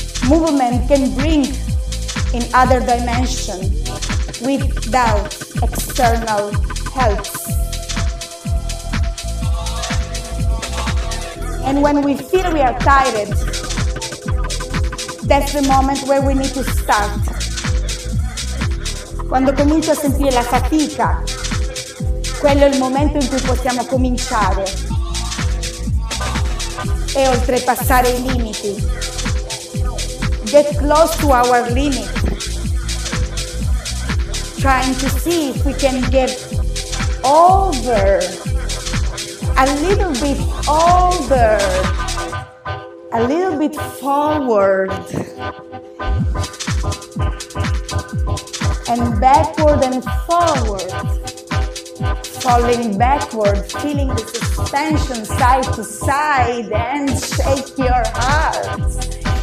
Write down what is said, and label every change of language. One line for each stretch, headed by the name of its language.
English: Movement can bring in other dimension without external help. And when we feel we are tired, that's the moment where we need to start.
Italian: Quando comincio a sentire la fatica, quello è il momento in cui possiamo cominciare e oltrepassare i limiti.
English: Get close to our limit, trying to see if we can get over, a little bit over, a little bit forward, and backward and forward, falling backward, feeling the suspension side to side, and shake your heart.